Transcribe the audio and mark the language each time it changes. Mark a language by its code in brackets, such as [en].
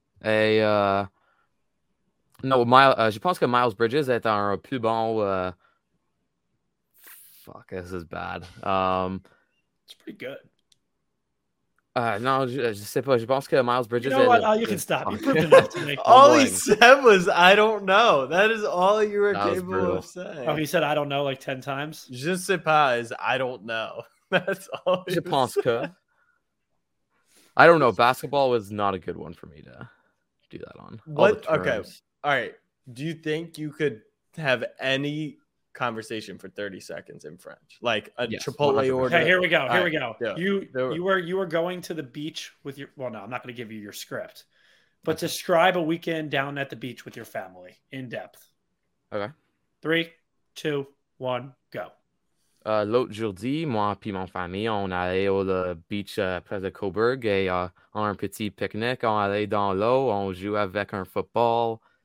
[fr] Je pense que Miles Bridges est un plus bon. [en] Fuck, this is bad. It's pretty good. [fr] Je sais pas. Je pense que Miles Bridges. [en] You know what? You can stop. All he said was, I don't know. That is all you were capable of saying. Oh, he said, I don't know, like 10 times? [fr] Je sais pas [en] is, I don't know. That's all he said. [fr] Je pense que. [en] I don't know. Basketball was not a good one for me to do that on. What? Okay. All right. Do you think you could have any conversation for 30 seconds in French, like a Chipotle 100%. Order. Okay, here we go. You were going to the beach with your, well, no, I'm not going to give you your script, but describe a weekend down at the beach with your family in depth. Okay. 3, 2, 1, go. [fr] L'autre jour-ci, moi puis mon famille, on allait au le beach près de Coburg et on a un petit pique-nique, on allait dans l'eau, on joue avec un football.